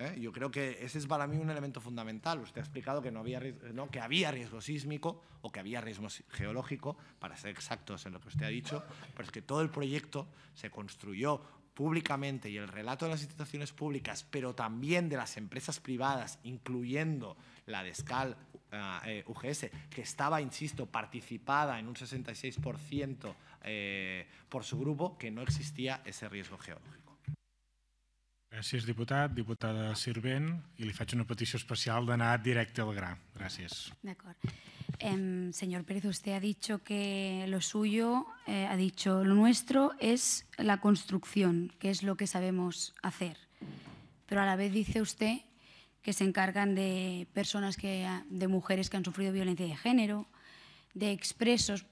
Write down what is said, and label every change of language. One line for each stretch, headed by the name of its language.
Spanish: Yo creo que ese es para mí un elemento fundamental. Usted ha explicado que había riesgo sísmico o que había riesgo geológico, para ser exactos en lo que usted ha dicho, pero es que todo el proyecto se construyó públicamente y el relato de las instituciones públicas, pero también de las empresas privadas, incluyendo la de SCAL UGS, que estaba, insisto, participada en un 66% por su grupo, que no existía ese riesgo geológico.
Catalan: Gràcies, diputat. Diputada Sirvent, i li faig una petició especial d'anar directe al gra. Gràcies. D'acord.
Spanish: Señor Pérez, usted ha dicho que lo suyo, ha dicho lo nuestro es la construcción, que es lo que sabemos hacer. Pero a la vez dice usted que se encargan de personas, de mujeres que han sufrido violencia de género, de expresos.